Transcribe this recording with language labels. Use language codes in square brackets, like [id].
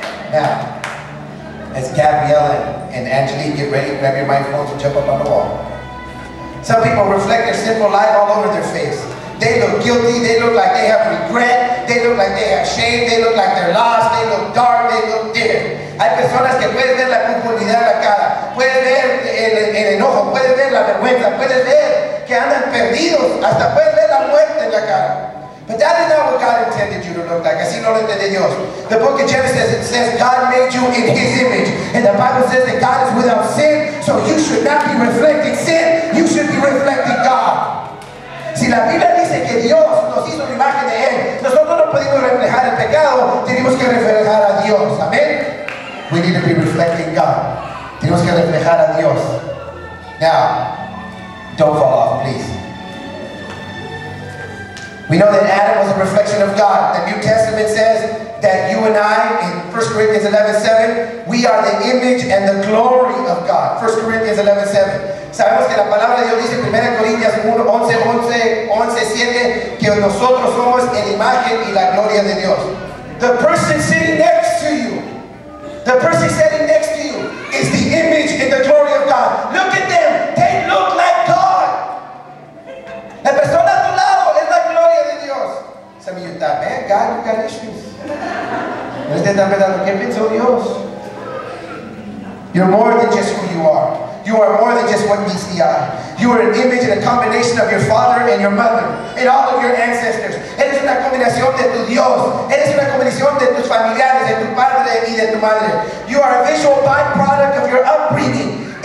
[en] Now, as Gabrielle and Angelique get ready, grab your microphones and jump up on the wall. Some people reflect their sinful life all over their face. They look guilty, they look like they have regret, they look like they have shame, they look like they're lost, they look dark, they look dead. [es] Hay personas que pueden ver la culpabilidad en la cara, pueden ver el enojo, pueden ver la vergüenza, pueden ver que andan perdidos, hasta pueden ver la muerte en la cara. [en] But that is not what God intended you to look like. [es] Así no lo entiende Dios. [en] The book of Genesis, it says God made you in His image. And the Bible says that God is without sin, so you should not be reflecting sin, you should be reflecting God. [es] Si la Biblia dice que Dios nos hizo la imagen de Él, nosotros no podemos reflejar el pecado, tenemos que reflejar a Dios. [en] Amen? We need to be reflecting God. [es] Tenemos que reflejar a Dios. [en] Now, don't fall off, please. We know that Adam was a reflection of God. The New Testament says that you and I, in 1 Corinthians 11:7, we are the image and the glory of God. 1 Corinthians 11:7. [es] Sabemos que la palabra de Dios dice en 1 Corintios 11:7 que nosotros somos la imagen y la gloria de Dios. [en] The person sitting next to you, the person sitting next to you is the image and the glory of God. Look at them. They look like God. [es] La persona a tu lado es la gloria de Dios. [en] Some of you thought, man, God, you got issues. [es] No estén tan pensando, ¿qué pensó Dios? [en] You're more than just who you are. You are more than just what meets the eye. You are an image and a combination of your father and your mother and all of your ancestors. [es] Eres una combinación de tu Dios. Eres una combinación de tus familiares, de tu padre y de tu madre. [en] You are a visual byproduct of your upbringing.